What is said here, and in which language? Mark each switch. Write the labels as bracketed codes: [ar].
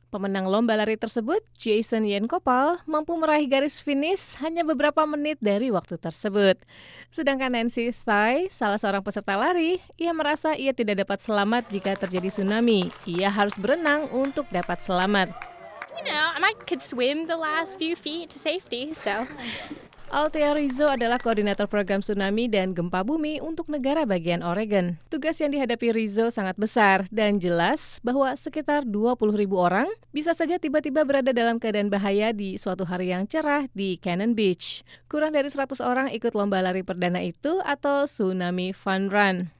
[id] Pemenang lomba lari tersebut, Jason Yenkopal, mampu meraih garis finish hanya beberapa menit dari waktu tersebut. Sedangkan Nancy Thai, salah seorang peserta lari, ia merasa ia tidak dapat selamat jika terjadi tsunami. Ia harus berenang untuk dapat selamat. [en] And I could swim the last few feet to safety, so. [id] Althea Rizzo adalah koordinator program tsunami dan gempa bumi untuk negara bagian Oregon. Tugas yang dihadapi Rizzo sangat besar dan jelas bahwa sekitar 20 ribu orang bisa saja tiba-tiba berada dalam keadaan bahaya di suatu hari yang cerah di Cannon Beach. Kurang dari 100 orang ikut lomba lari perdana itu atau Tsunami Fun Run.